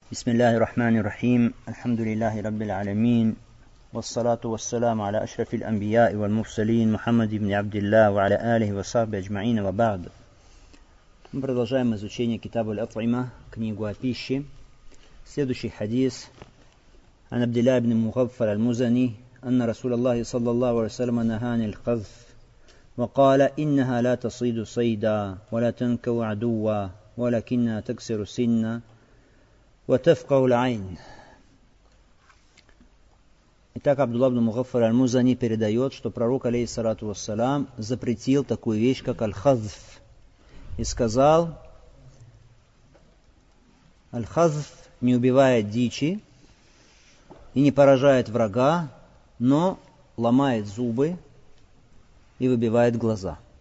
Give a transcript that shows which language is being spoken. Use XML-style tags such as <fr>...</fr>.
<ar>بسم الله الرحمن الرحيم الحمد لله رب العالمين والصلاة والسلام على أشرف الأنبياء والمرسلين محمد بن عبد الله وعلى آله وصحبه أجمعين وبعد.</ar> <ru>Мы продолжаем изучение Китаба аль-Атъима, книгу о пище. Следующий хадис.</ru> <ar>عن عبد الله بن مغفر المزني أن رسول الله صلى الله عليه وسلم نهى عن القذف وقال إنها لا تصيد صيدا ولا تنكو عدوا ولكنها تكسر سنا وتفقه العين.</ar> <ru>Итак, Абдулла ибн Мугаффар аль-Музани передает, что пророк, алейхиссалату вассалам, запретил такую вещь, как аль-хазф. И сказал, аль-хазф не убивает дичи и не поражает врага, но ломает зубы и выбивает глаза.</ru>